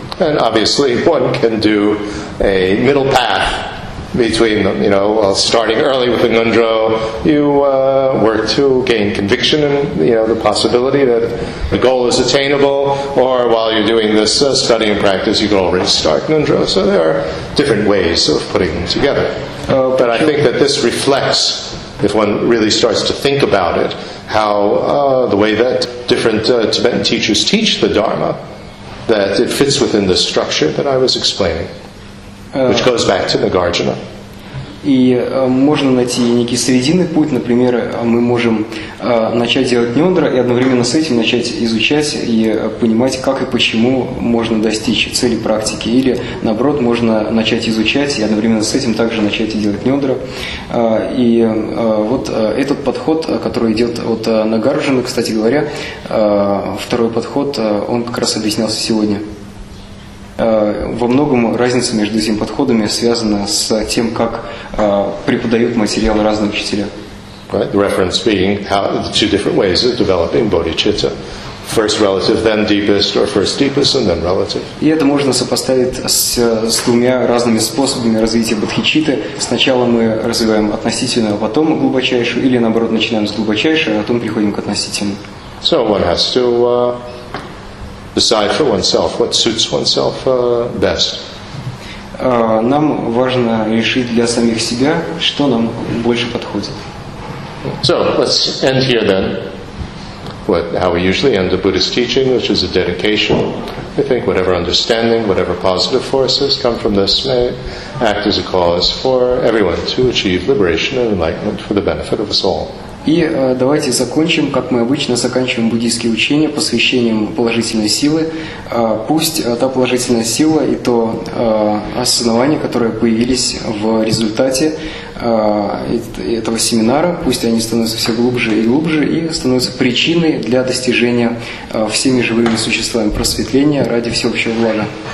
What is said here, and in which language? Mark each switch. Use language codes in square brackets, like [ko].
[en] And obviously one can do a middle path. Between, you know, well, starting early with the nundro, you work to gain conviction in, you know, the possibility that the goal is attainable, or while you're doing this study and practice, you can already start nundro. So there are different ways of putting them together. But I think that this reflects, if one really starts to think about it, how the way that different Tibetan teachers teach the Dharma, that it fits within the structure that I was explaining. Which goes back to Nagarjuna. [ru] И можно найти некий срединный путь, например, мы можем начать делать нюндра и одновременно с этим начать изучать и понимать, как и почему можно достичь цели практики. Или, наоборот, можно начать изучать и одновременно с этим также начать делать нюндра. И вот этот подход, который идет от Нагарджуны, кстати говоря, второй подход, он как раз объяснялся сегодня. Во многом разница между этими подходами связана с тем, как преподают материалы разные учителя. [en] Right, the reference being how, the two different ways of developing bodhicitta. First relative, then deepest, or first deepest, and then relative. [ru] И это можно сопоставить с двумя разными способами развития бодхичитты. Сначала мы развиваем относительную, а потом глубочайшую, или наоборот начинаем с глубочайшей, а потом переходим к относительной. [en] So one has to... decide for oneself what suits oneself best. [ru] Нам важно решить для самих себя, что нам больше подходит. [en] So let's end here then. What, how we usually end a Buddhist teaching, which is a dedication. I think whatever understanding, whatever positive forces come from this may act as a cause for everyone to achieve liberation and enlightenment for the benefit of us all. [ru] И давайте закончим, как мы обычно заканчиваем буддийские учения, посвящением положительной силы. Пусть та положительная сила и то осознавание, которое появились в результате этого семинара, пусть они становятся все глубже и глубже и становятся причиной для достижения всеми живыми существами просветления ради всеобщего блага.